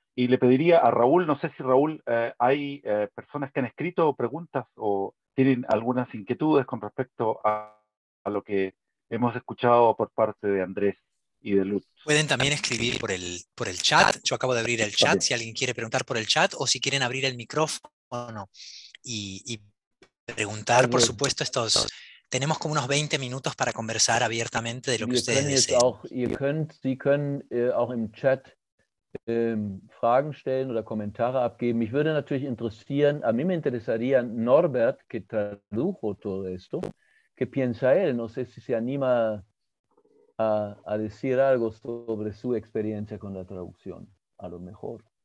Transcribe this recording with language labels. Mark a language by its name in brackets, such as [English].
[Spanish] Y le pediría a Raúl, no sé si Raúl, hay personas que han escrito preguntas o tienen algunas inquietudes con respecto a lo que hemos escuchado por parte de Andrés. Y de luz. Pueden también escribir por el chat. Yo acabo de abrir el chat. Okay. Si alguien quiere preguntar por el chat o si quieren abrir el micrófono y preguntar, por supuesto, estos tenemos como unos 20 minutos para conversar abiertamente de lo que ustedes deseen. [German] Auch, ihr könnt, Sie können auch im Chat Fragen stellen oder Kommentare abgeben. Mich würde natürlich interessieren, [Spanish] a mí me interesaría Norbert, que tradujo todo esto, que piensa él. No sé si se anima a decir algo sobre su experiencia con la traducción, a lo mejor.